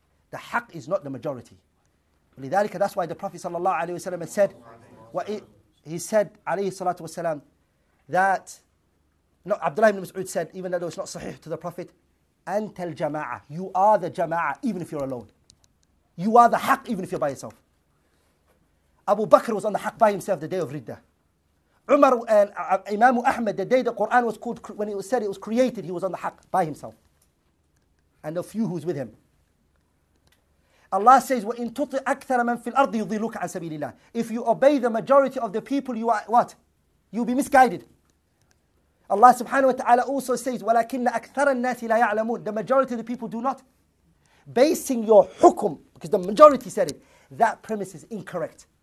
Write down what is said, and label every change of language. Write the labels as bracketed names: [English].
[English] The haqq is not the majority. لذلك, that's why the Prophet sallallahu alaihi wasallam said, he said alayhi salatu wasalam, that no, Abdullah ibn Mas'ud said, even though it's not sahih to the Prophet, antal jama'ah, you are the jama'ah even if you're alone. You are the haqq even if you're by yourself. Abu Bakr was on the haqq by himself the day of Riddah. Umar and Imam Ahmed, the day the Quran was called, when it was said it was created, he was on the haqq by himself. And a few who's with him. [Arabic] Allah says, وَإِنْ تُطِعْ أَكْثَرَ مَنْ فِي الْأَرْضِ يُضِلُّكَ عَنْ سَبِيلِ اللَّهِ. [English] If you obey the majority of the people, you are what? You'll be misguided. [Arabic] Allah subhanahu wa ta'ala also says, وَلَكِنَّ أَكْثَرَ النَّاسِ لَا يَعْلَمُونَ. [English] The majority of the people do not. Basing your hukum, because the majority said it, that premise is incorrect.